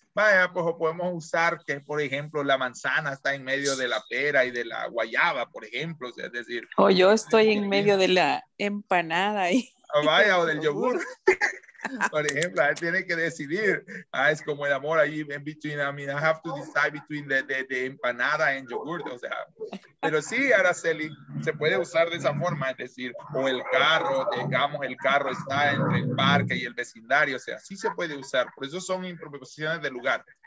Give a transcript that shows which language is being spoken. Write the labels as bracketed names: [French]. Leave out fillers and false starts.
[Spanish] Vaya, pues podemos usar que, por ejemplo, la manzana está en medio de la pera y de la guayaba, por ejemplo, o sea, es decir. O yo estoy en medio de la empanada y. papaya o del yogur. Por ejemplo, él tiene que decidir. Ah, es como el amor ahí en between. [English] I mean, I have to decide between the empanada and yogurt. [Spanish] O sea, pero sí, Araceli, se puede usar de esa forma. Es decir, o el carro, digamos, el carro está entre el parque y el vecindario. O sea, sí se puede usar. Por eso son improvisaciones de lugar.